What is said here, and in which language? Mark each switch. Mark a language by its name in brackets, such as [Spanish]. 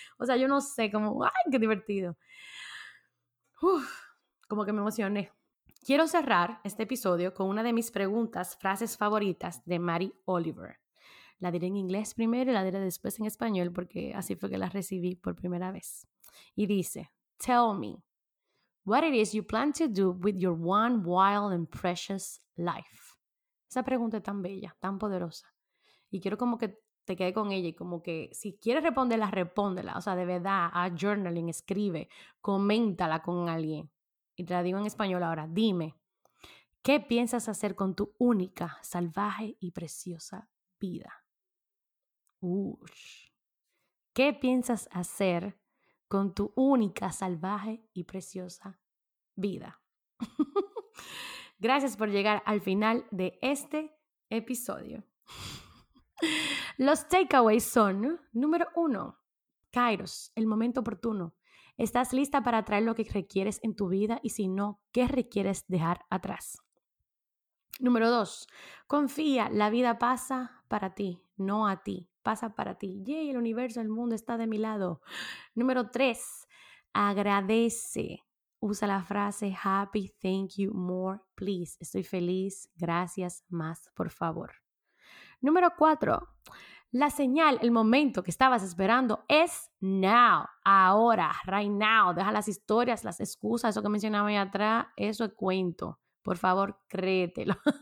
[Spanish] O sea, yo no sé, como, ay, qué divertido. Uf, como que me emocioné. Quiero cerrar este episodio con una de mis preguntas, frases favoritas de Mary Oliver. La diré en inglés primero y la diré después en español porque así fue que la recibí por primera vez. Y dice, [English] tell me, what it is you plan to do with your one wild and precious life? [Spanish] Esa pregunta es tan bella, tan poderosa. Y quiero como que te quede con ella y como que si quieres responderla, respóndela. O sea, de verdad, a journaling, escribe, coméntala con alguien. Y te la digo en español ahora, dime, ¿qué piensas hacer con tu única, salvaje y preciosa vida? ¿Qué piensas hacer con tu única, salvaje y preciosa vida? Gracias por llegar al final de este episodio. Los takeaways son, número uno, Kairos, el momento oportuno. ¿Estás lista para traer lo que requieres en tu vida? Y si no, ¿qué requieres dejar atrás? Número dos, confía, la vida pasa para ti, no a ti. Pasa para ti. Yay, el universo, el mundo está de mi lado. Número tres, agradece. Usa la frase [English] happy, thank you, more, please. [Spanish] Estoy feliz, gracias, más, por favor. Número cuatro, la señal, el momento que estabas esperando es now, ahora, [English] right now. [Spanish] Deja las historias, las excusas, eso que mencionaba ahí atrás, eso es cuento. Por favor, créetelo.